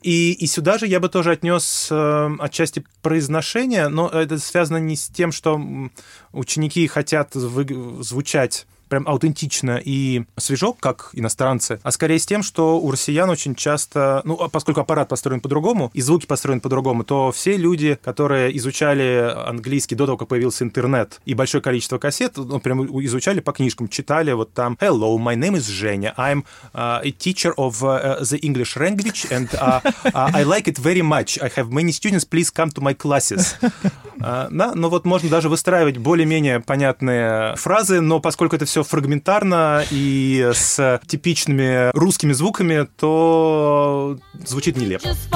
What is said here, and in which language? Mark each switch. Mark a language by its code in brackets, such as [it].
[ru] И сюда же я бы тоже отнес отчасти произношение, но это связано не с тем, что ученики хотят звучать прям аутентично и свежо, как иностранцы, а скорее с тем, что у россиян очень часто, ну, поскольку аппарат построен по-другому, и звуки построены по-другому, то все люди, которые изучали английский до того, как появился интернет и большое количество кассет, ну, прям изучали по книжкам, читали вот там [en] «Hello, my name is Женя, I'm a teacher of the English language, and I like it very much. I have many students, please come to my classes». [ru] Да, ну вот можно даже выстраивать более-менее понятные фразы, но поскольку это все фрагментарно и с типичными русскими звуками, то звучит нелепо.